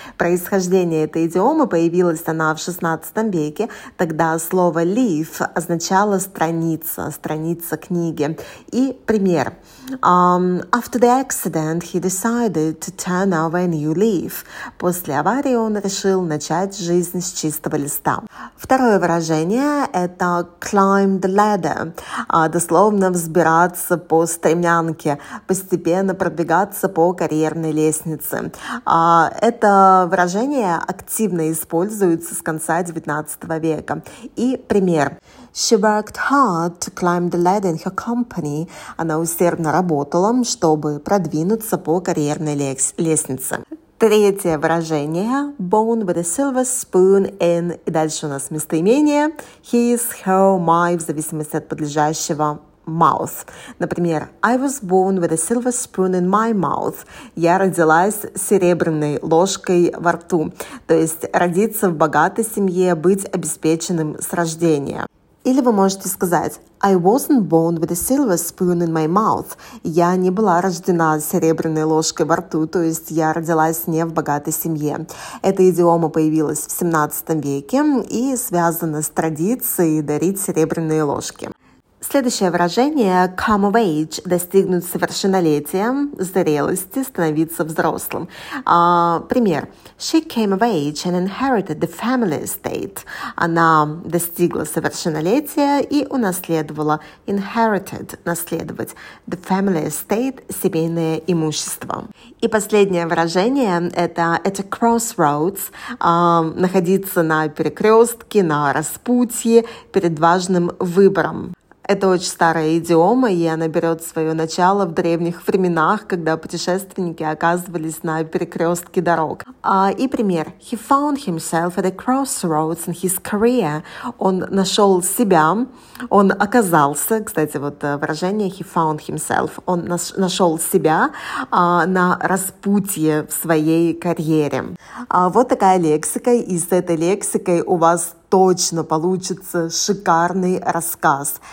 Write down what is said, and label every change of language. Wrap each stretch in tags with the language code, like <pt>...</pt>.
<ru>Происхождение этой идиомы появилось она в 16 веке. Тогда слово leaf означало страница, страница книги. И пример.</ru> <en>After the accident, he decided to turn over a new leaf.</en> <ru>После аварии он решил начать жизнь с чистого листа. Второе выражение – это</ru> <en>climb the ladder,</en> <ru>дословно взбираться по стремянке, постепенно продвигаться по карьерной лестнице. Это выражение активно используется с конца 19 века. И пример.</ru> <en>She worked hard to climb the ladder in her company.</en> <ru>Она усердно работала, чтобы продвинуться по карьерной лестнице. Третье выражение –</ru> <en>bone with a silver spoon in,</en> <ru>и дальше у нас местоимение –</ru> <en>his, her, my,</en> <ru>в зависимости от подлежащего –</ru> <en>mouth.</en> <ru>Например,</ru> <en>I was born with a silver spoon in my mouth.</en> <ru>Я родилась серебряной ложкой во рту. То есть родиться в богатой семье, быть обеспеченным с рождения. Или вы можете сказать</ru> <en>«I wasn't born with a silver spoon in my mouth».</en> <ru>Я не была рождена серебряной ложкой во рту, то есть я родилась не в богатой семье. Эта идиома появилась в 17 веке и связана с традицией дарить серебряные ложки. Следующее выражение –</ru> <en>come of age</en> <ru>– достигнуть совершеннолетия, зрелости, становиться взрослым. Пример.</ru> <en>She came of age and inherited the family estate.</en> <ru>Она достигла совершеннолетия и унаследовала</ru> <en>inherited</en> <ru>– наследовать</ru> <en>the family estate</en> <ru>– семейное имущество. И последнее выражение – это</ru> <en>at a crossroads</en> <ru>– находиться на перекрестке, на распутье, перед важным выбором. Это очень старая идиома, и она берет свое начало в древних временах, когда путешественники оказывались на перекрестке дорог. И пример. He found himself at a crossroads in his career. Он нашел себя, он оказался, кстати, вот выражение</ru> <en>he found himself,</en> <ru>он нашел себя на распутье в своей карьере. Вот такая лексика, и с этой лексикой у вас точно получится шикарный рассказ.</ru>